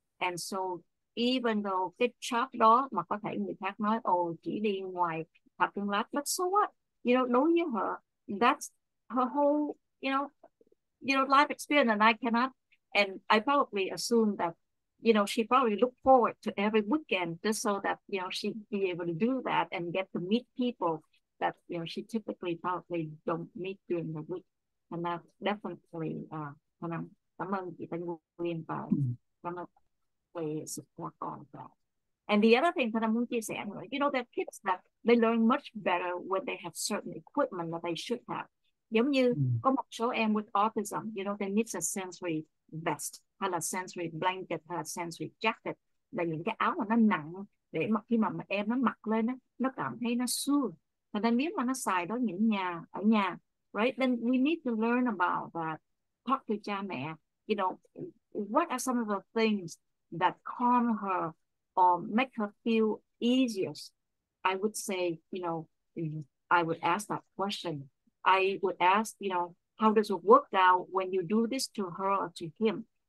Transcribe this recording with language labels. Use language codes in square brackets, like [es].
[en] And so even though [vi] cái chat đó mà có thể người khác nói chỉ đi ngoài [en] parking lot, but so what, you know, [vi] đối với [en] her, that's her whole, you know life experience, and I cannot. And I probably assume that, you know, she probably look forward to every weekend just so that, you know, she'd be able to do that and get to meet people that, you know, she typically probably don't meet during the week. And that definitely, [vi] cảm ơn chị Thanh Nguyên và cảm ơn về sự quan tâm đó. [en] And the other thing that I'm going to say, you know, there are kids that they learn much better when they have certain equipment that they should have. [vi] Giống như có một số em [en] with autism, you know, they need a sensory vest, [vi] hay là sensory blanket, hay là sensory jacket, là những cái áo mà nó nặng để mà khi mà em nó mặc lên á, nó cảm thấy nó soothe. Và nên biết mà nó xài đó những nhà ở nhà, right? [en] Then we need to learn about that. Talk to [vi] cha mẹ, [en] you know, what are some of the things that calm her or make her feel easier, I would say, you know, I would ask that question. I would ask, you know, how does it work out when you do this to her or to him?